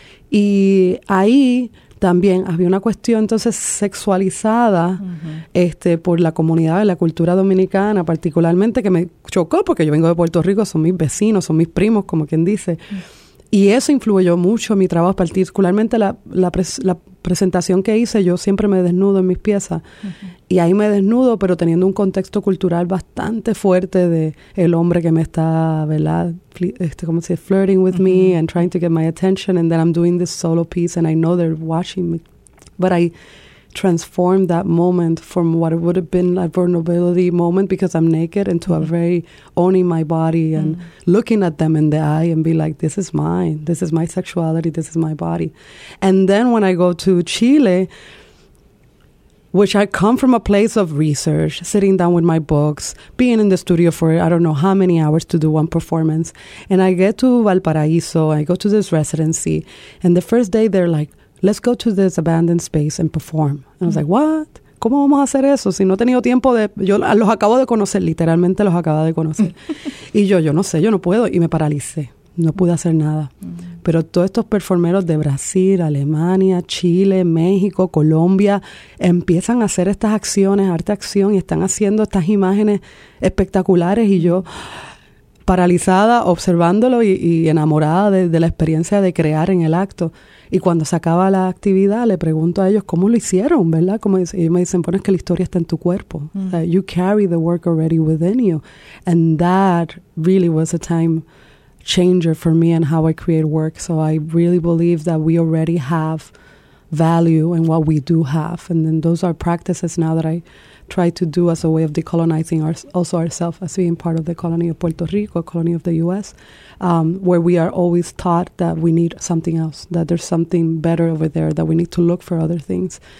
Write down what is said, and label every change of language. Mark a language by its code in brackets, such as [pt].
[es] Y ahí también había una cuestión entonces sexualizada por la comunidad de la cultura dominicana, particularmente, que me chocó porque yo vengo de Puerto Rico, son mis vecinos, son mis primos, como quien dice. Y eso influyó mucho en mi trabajo, particularmente la presentación que hice. Yo siempre me desnudo en mis piezas. Y ahí me desnudo, pero teniendo un contexto cultural bastante fuerte de el hombre que me está, ¿verdad? ¿Cómo se dice? [en] Flirting with me and trying to get my attention. And then I'm doing this solo piece and I know they're watching me. But I transformed that moment from what it would have been a vulnerability moment because I'm naked into a very owning my body and looking at them in the eye and be like, this is mine. This is my sexuality. This is my body. And then when I go to Chile, which I come from a place of research, sitting down with my books, being in the studio for I don't know how many hours to do one performance. And I get to Valparaíso, I go to this residency, and the first day they're like, let's go to this abandoned space and perform. And I was like, what? [es] ¿Cómo vamos a hacer eso? Si no he tenido tiempo de... Yo los acabo de conocer, literalmente los acabo de conocer. Y yo no sé, yo no puedo. Y me paralicé. No pude hacer nada. Pero todos estos performeros de Brasil, Alemania, Chile, México, Colombia, empiezan a hacer estas acciones, arte acción, y están haciendo estas imágenes espectaculares. Y yo, paralizada observándolo y enamorada de la experiencia de crear en el acto. Y cuando se acaba la actividad, le pregunto a ellos cómo lo hicieron, ¿verdad? Como dice, y ellos me dicen, bueno, es que la historia está en tu cuerpo. [en] Mm. You carry the work already within you. And that really was a time changer for me and how I create work. So I really believe that we already have value in what we do have. And then those are practices now that I try to do as a way of decolonizing also ourselves as being part of the colony of Puerto Rico, colony of the U.S., where we are always taught that we need something else, that there's something better over there, that we need to look for other things.